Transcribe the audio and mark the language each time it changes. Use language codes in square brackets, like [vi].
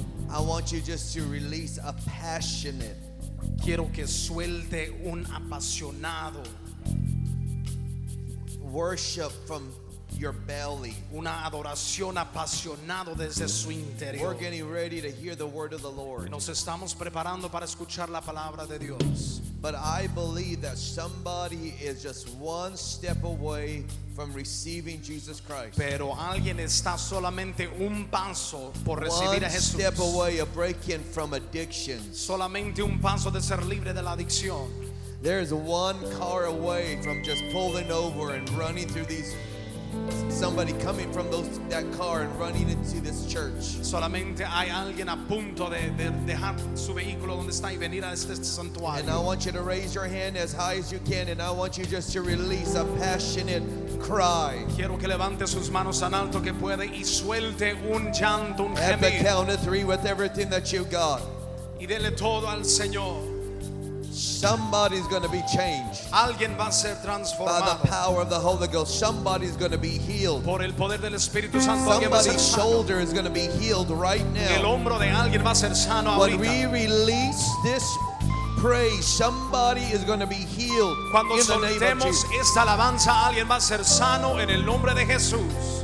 [en] I want you just to release a passionate. [es] Quiero que suelte un apasionado [en] worship from your belly. [es] Una adoración apasionado desde su interior. [en] We're getting ready to hear the word of the Lord. [es] Nos estamos preparando para escuchar la palabra de Dios. [en] But I believe that somebody is just one step away from receiving Jesus Christ. [es] Pero alguien está solamente un paso por recibir a Jesús. [en] One step away of breaking from addiction. [es] Solamente un paso de ser libre de la adicción. [en] There is one car away from just pulling over and running through these. Somebody coming from those, that car and running into this church. [es] Solamente hay alguien a punto de dejar su vehículo donde está y venir a este santuario. [en] And I want you to raise your hand as high as you can, and I want you just to release a passionate cry. [es] Quiero que levante sus manos tan alto que puede y suelte un llanto, un gemido. [en] At the count of three, with everything that you got. [es] Y dele todo al Señor. [en] Somebody's going to be changed. [es] Alguien va a ser transformado. [en] By the power of the Holy Ghost, somebody's going to be healed. [es] Por el poder del Espíritu Santo, [en] somebody's shoulder is going to be healed right now. [es] El hombro de alguien va a ser sano ahorita. [en] When we release this praise, somebody is going to be healed. [es] Cuando [en] in the name of Jesus. [es] Esta alabanza, alguien va a ser sano en el nombre de Jesús.